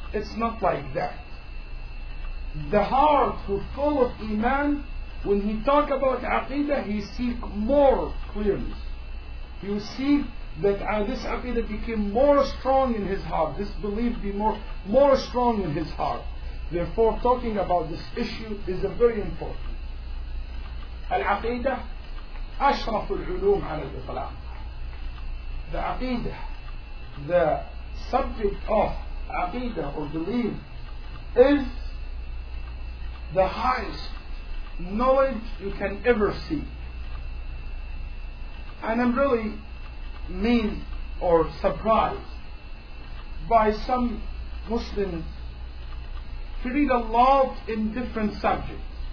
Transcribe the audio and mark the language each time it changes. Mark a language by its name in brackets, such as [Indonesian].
[English] It's not like that. The heart who full of Iman, when he talk about Aqidah, he seek more clearness. You see that this Aqidah became more strong in his heart. This belief be more strong in his heart. Therefore, talking about this issue is a very important. [Arabic] Al-Aqidah, أشرف العلوم على الإطلاق. [English] The Aqidah, the subject of Aqidah or belief, is the highest knowledge you can ever see. And I'm really mean or surprised by some Muslims to read a lot in different subjects.